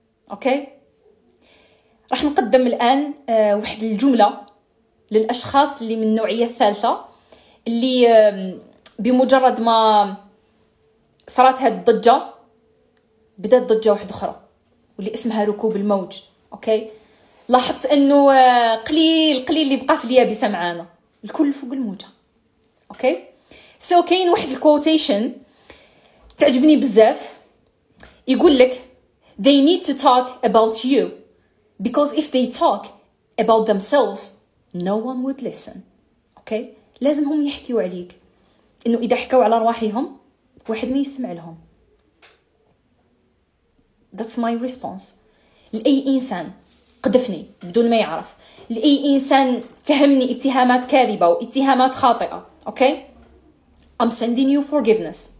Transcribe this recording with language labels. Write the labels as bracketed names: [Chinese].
[Arabic] اوكي، راح نقدم الان واحد الجمله للأشخاص اللي من النوعية الثالثة اللي بمجرد ما صارت هاد الضجة بدأت ضجة واحدة أخرى واللي اسمها ركوب الموج. أوكي، لاحظت أنه قليل اللي بقى في اليابسة معانا، الكل فوق الموجة. أوكي، سو كاين واحد الكوتيشن تعجبني بزاف، يقول لك [English] they need to talk about you because if they talk about themselves no one would listen. [Arabic] اوكي، لازم هم يحكيوا عليك، انه اذا حكوا على رواحهم واحد ما يسمع لهم. [English] That's my response. [Arabic] لاي انسان قذفني بدون ما يعرف، لاي انسان تهمني اتهامات كاذبه واتهامات خاطئه، اوكي، [English] I'm sending you forgiveness.